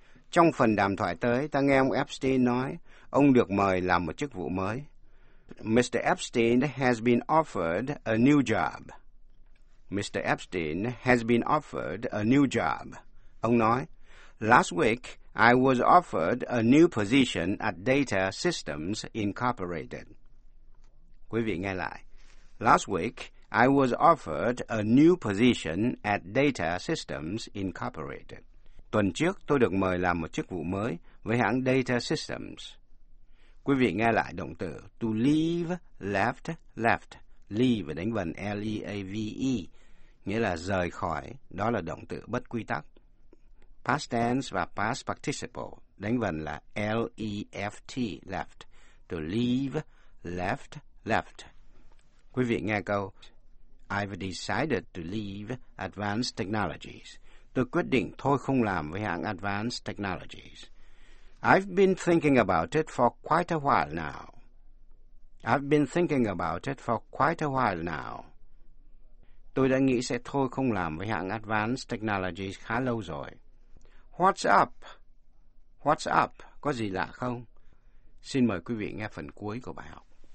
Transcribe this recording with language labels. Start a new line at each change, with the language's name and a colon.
Vietnamese: Trong phần đàm thoại tới, ta nghe ông Epstein nói, ông được mời làm một chức vụ mới.
English: Mr. Epstein has been offered a new job. Mr. Epstein has been offered a new job.
Vietnamese: Ông nói,
English: last week, I was offered a new position at Data Systems Incorporated.
Vietnamese: Quý vị nghe lại.
English: Last week, I was offered a new position at Data Systems Incorporated.
Vietnamese: Tuần trước, tôi được mời làm một chức vụ mới với hãng Data Systems. Quý vị nghe lại động từ to leave, left, left. Leave đánh vần L-E-A-V-E, nghĩa là rời khỏi, đó là động từ bất quy tắc. Past tense và past participle đánh vần là L-E-F-T, left.
English: To leave, left, left.
Vietnamese: Quý vị nghe câu,
English: I've decided to leave Advanced Technologies.
Vietnamese: Tôi quyết định thôi không làm với hãng Advanced Technologies.
English: I've been thinking about it for quite a while now. I've been thinking about it for quite a while now.
Vietnamese: Tôi đã nghĩ sẽ thôi không làm với hãng Advanced Technologies khá lâu rồi.
English: What's up? What's up?
Vietnamese: Có gì lạ không? Xin mời quý vị nghe phần cuối của bài học.